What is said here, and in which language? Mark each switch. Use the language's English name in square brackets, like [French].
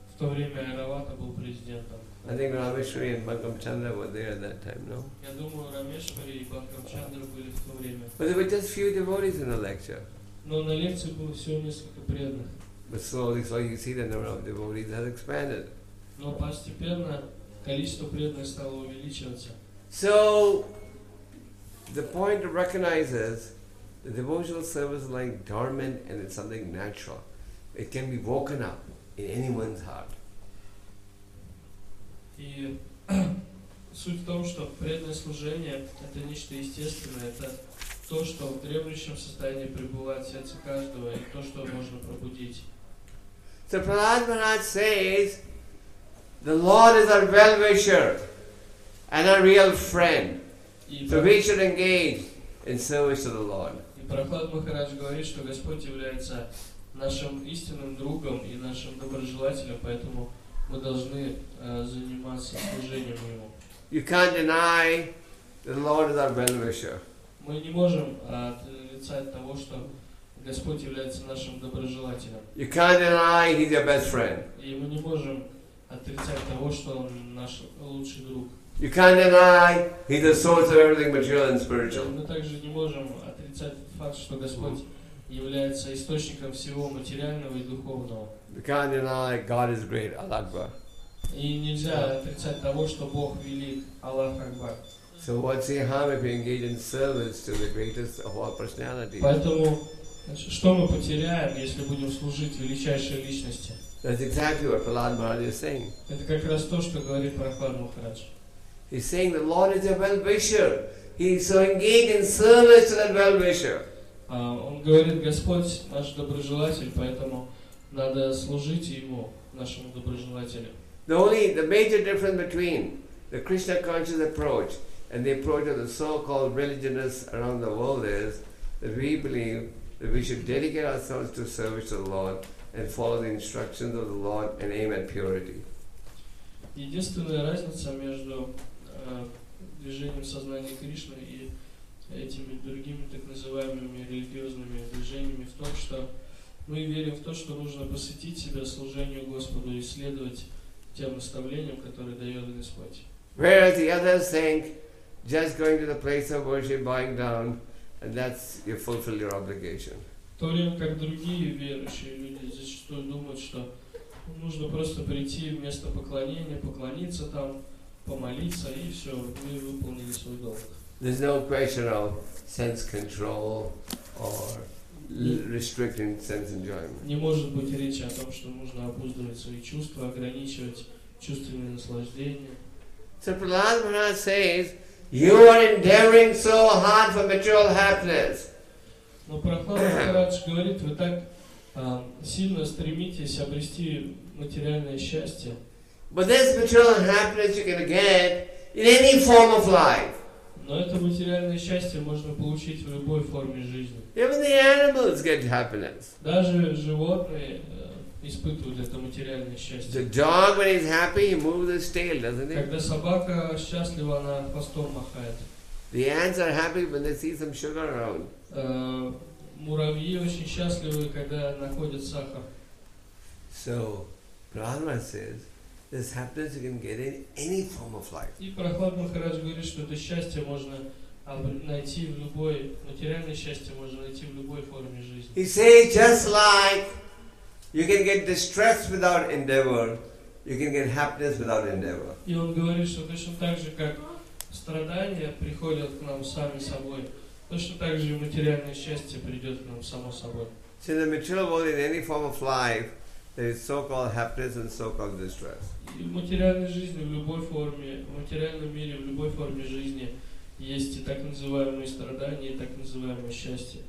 [Russian] В то время Эравата был президентом. [English] I think Рамешвари and Бхагам Чандра were there at that time, no? [Russian] Я думаю, Рамешвари и Бхагам Чандра были в то время. [English] But there were just few devotees in the lecture. [Russian] Но на лекции было всего несколько преданных. [English] But slowly you see the number of devotees has expanded. [Russian] Но постепенно количество преданных стало увеличиваться. [English] So, the point recognizes the devotional service is like dormant and it's something natural. It can be woken up in anyone's heart. [Russian] И суть в том, что преданное служение – это нечто естественное, это то, что в дремлющем состоянии пребывает в сердце каждого, и то, что можно пробудить. [English] So Prahlad Maharaj says, the Lord is our well-wisher and our real friend. So we should engage in service to the Lord. [Russian] И Прохлад Махарадж говорит, что Господь является нашим истинным другом и нашим доброжелателем, поэтому мы должны заниматься служением Ему. [English] You can't deny that the Lord is our well-wisher. [Russian] Мы не можем отрицать того, что Господь является нашим доброжелателем. [English] You can't deny He's your best friend. [Russian] И мы не можем отрицать того, что Он наш лучший друг. [English] You can't deny He's the source of everything material and spiritual. [Russian] Мы также не можем отрицать факт, что Господь является источником всего материального и духовного. [English] We can't deny God is great, [Arabic] Allah Akbar. [Russian] И нельзя отрицать того, что Бог велик, [Arabic] Аллах Акбар. [English] So what's the harm if we engage in service to the greatest of all personalities? [Russian] Поэтому что мы потеряем, если будем служить величайшей личности? [English] That's exactly what Prahlad Maharaj is saying. [Russian] Это как раз то, что говорит Прохлад Махарадж. [English] He's saying the Lord is a well-wisher. He so engaged in service to that well-wisher. [Russian] Он говорит, Господь наш доброжелатель, поэтому надо служить Ему, нашему доброжелателю. [English] The major difference between the Krishna conscious approach and the approach of the so-called religionists around the world is that we believe that we should dedicate ourselves to service to the Lord and follow the instructions of the Lord and aim at purity. [Russian] Единственная разница между движением сознания Кришны и этими другими так называемыми религиозными движениями в том, что мы верим в то, что нужно посвятить себя служению Господу и следовать тем наставлениям, которые дает Господь. [English] Whereas the others think just going to the place of worship, bowing down, and that's you fulfill your obligation. [Russian] В то время как другие верующие люди зачастую думают, что нужно просто прийти в место поклонения, поклониться там, помолиться и все, вы выполнили свой долг. [English] There's no question of sense control or restricting sense enjoyment. [Russian] Не может быть речи о том, что нужно обуздывать свои чувства, ограничивать чувственные наслаждения. [English] So Prahlad Maharaj says, you are endeavoring so hard for material happiness. [Russian] Но Прохлад Махарадж говорит, вы так сильно стремитесь обрести материальное счастье. [English] But this material happiness you can get in any form of life. [Russian] Но это материальное счастье можно получить в любой форме жизни. [English] Even the animals get happiness. [Russian] Даже животные испытывают это материальное счастье. [English] The dog, when he's happy, he moves his tail, doesn't he? [Russian] Когда собака счастлива, она хвостом махает. [English] The ants are happy when they see some sugar around. [Russian] Муравьи очень счастливы, когда находят сахар. [English] So, Brahma says, this happiness you can get in any form of life. [Russian] И Прохлад Махарадж говорит, что это счастье можно найти в любой, материальное счастье можно найти в любой форме жизни. [English] He says, just like you can get distress without endeavor, you can get happiness without endeavor. [Russian] И он говорит, что точно так же, как страдания приходят к нам сами собой, точно так же и материальное счастье придет к нам само собой. [English] See, the material world in any form of life, there is so-called happiness and so-called distress. [Russian] в материальной жизни, в любой форме, в материальном мире, в любой форме жизни есть и так называемые страдания, и так называемое счастье.